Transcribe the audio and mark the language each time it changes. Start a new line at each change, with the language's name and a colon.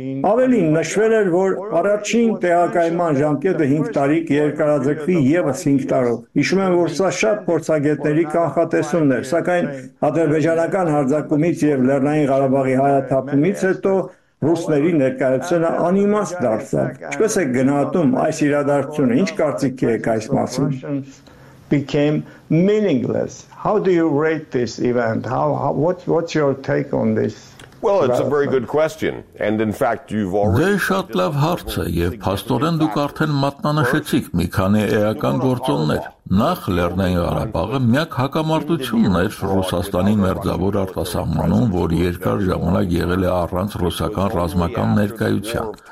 Armenian: Ավելին, նշվել էր, որ առաջին տեղակայման ժամկետը 5 տարի կերկարաձգվի ևս 5 տարով։ Հիշում եմ, որ սա շատ փորձագետների կանխատեսումն էր, սակայն ադրբեջանական հարձակումից եւ Լեռնային Ղարաբաղի հայաթափումից հետո ռուսների ներկայությունը անիմաստ դարձավ։ Ինչպես եք գնահատում այս իրադարձությունը, ինչ կարծիք եք այս մասին։
English: Became meaningless. How do you rate this event? What's your take on this? Well, it's a very good question, and in fact, you've already.
Armenian: Դե շատ լավ հարց է, եւ փաստորեն դուք արդեն մատնանշեցիք մի քանի էական գործոններ։ Նախ Լեռնային Ղարաբաղը միակ հակամարտությունն էր Ռուսաստանի մերձավոր արտասահմանում, որ երկար ժամանակ եղել է առանց ռուսական ռազմական ներկայության։